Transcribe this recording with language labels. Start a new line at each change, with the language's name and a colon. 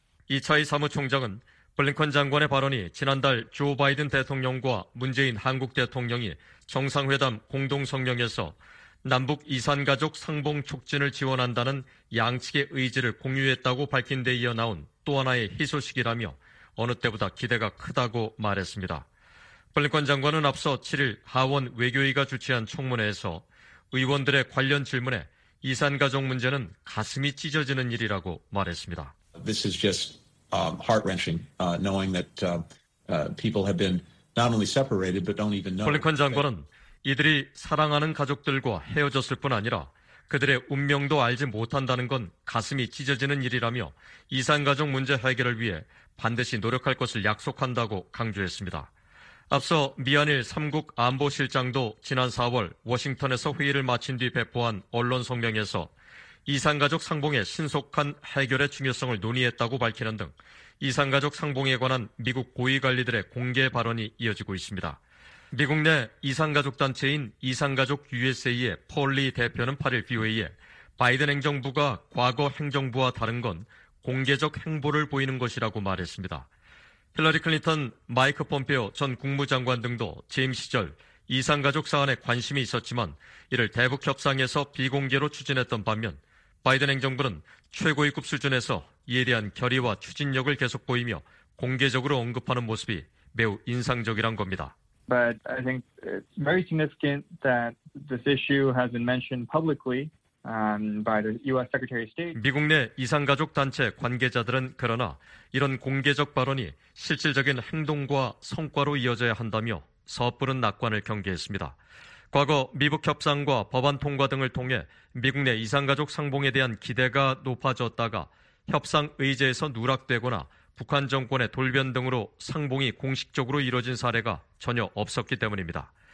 Korean: 이차희 사무총장은 블링컨 장관의 발언이 지난달 조 바이든 대통령과 문재인 한국 대통령이 정상회담 공동성명에서 남북 이산가족 상봉 촉진을 지원한다는 양측의 의지를 공유했다고 밝힌 데 이어 나온 또 하나의 희소식이라며 어느 때보다 기대가 크다고 말했습니다. 블링컨 장관은 앞서 7일 하원 외교위가 주최한 청문회에서 의원들의 관련 질문에 이산가족 문제는 가슴이 찢어지는 일이라고 말했습니다.
English: This is just heart-wrenching knowing that people have been not only separated but don't even know.
Korean: 블링컨 장관은 이들이 사랑하는 가족들과 헤어졌을 뿐 아니라 그들의 운명도 알지 못한다는 건 가슴이 찢어지는 일이라며 이산가족 문제 해결을 위해 반드시 노력할 것을 약속한다고 강조했습니다. 앞서 미안일 3국 안보실장도 지난 4월 워싱턴에서 회의를 마친 뒤 배포한 언론 성명에서 이산가족 상봉의 신속한 해결의 중요성을 논의했다고 밝히는 등 이산가족 상봉에 관한 미국 고위관리들의 공개 발언이 이어지고 있습니다. 미국 내 이산가족 단체인 이산가족 USA의 폴리 대표는 8일 BOA에 바이든 행정부가 과거 행정부와 다른 건 공개적 행보를 보이는 것이라고 말했습니다. 힐러리 클린턴, 마이크 폼페오 전 국무장관 등도 재임 시절 이산가족 사안에 관심이 있었지만 이를 대북 협상에서 비공개로 추진했던 반면 바이든 행정부는 최고위급 수준에서 이에 대한 결의와 추진력을 계속 보이며 공개적으로 언급하는 모습이 매우 인상적이란 겁니다.
English: But I think it's very significant that this issue has been mentioned publicly by the U.S. Secretary of State.
Korean: 미국 내 이산가족 단체 관계자들은 그러나 이런 공개적 발언이 실질적인 행동과 성과로 이어져야 한다며 섣부른 낙관을 경계했습니다. 과거 미북 협상과 법안 통과 등을 통해 미국 내 이산가족 상봉에 대한 기대가 높아졌다가 협상 의제에서 누락되거나 북한 정권의 돌변 등으로 상봉이 공식적으로 이뤄진 사례가 전혀 없었기 때문입니다.